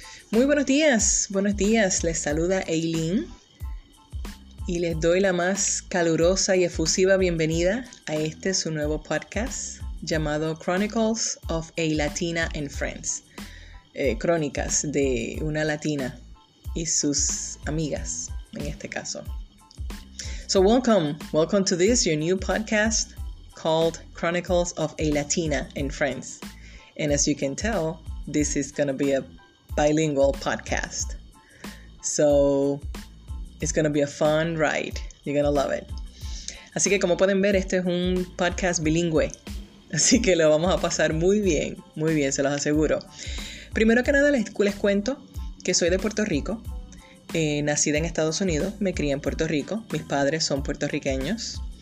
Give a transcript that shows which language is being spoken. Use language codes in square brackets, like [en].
[es] Muy buenos días, les saluda Eileen y les doy la más calurosa y efusiva bienvenida a este su nuevo podcast llamado Chronicles of a Latina and Friends, crónicas de una latina y sus amigas en este caso. [en] So welcome to this, your new podcast called Chronicles of a Latina and Friends. And as you can tell, this is going to be a bilingual podcast. So, it's going to be a fun ride. You're going to love it. [es] Así que como pueden ver, este es un podcast bilingüe. Así que lo vamos a pasar muy bien, se los aseguro. Primero que nada, les cuento que soy de Puerto Rico. Nacida en Estados Unidos, me crié en Puerto Rico. Mis padres son puertorriqueños.